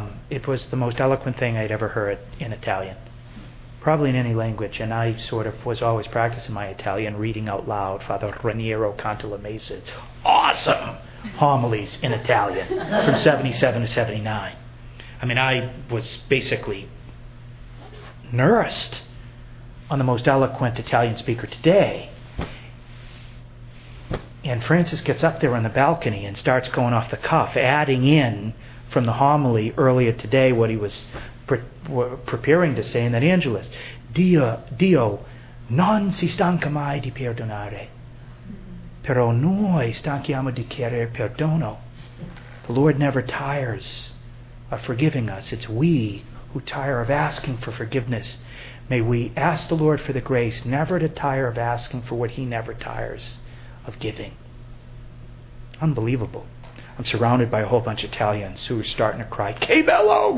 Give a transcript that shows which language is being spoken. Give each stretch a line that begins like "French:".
English: It was the most eloquent thing I'd ever heard in Italian, probably in any language, and I sort of was always practicing my Italian, reading out loud Father Raniero Cantalamessa's awesome homilies in Italian from 77 to 79. I mean, I was basically nursed on the most eloquent Italian speaker today. And Francis gets up there on the balcony and starts going off the cuff, adding in from the homily earlier today what he was preparing to say in that Angelus.
Italian: Dio non si stanca mai di perdonare, però noi stanchiamo di chiedere perdono.
English: The Lord never tires of forgiving us. It's we who tire of asking for forgiveness. May we ask the Lord for the grace never to tire of asking for what He never tires of giving. Unbelievable. I'm surrounded by a whole bunch of Italians who are starting to cry,
Italian: "Che bello!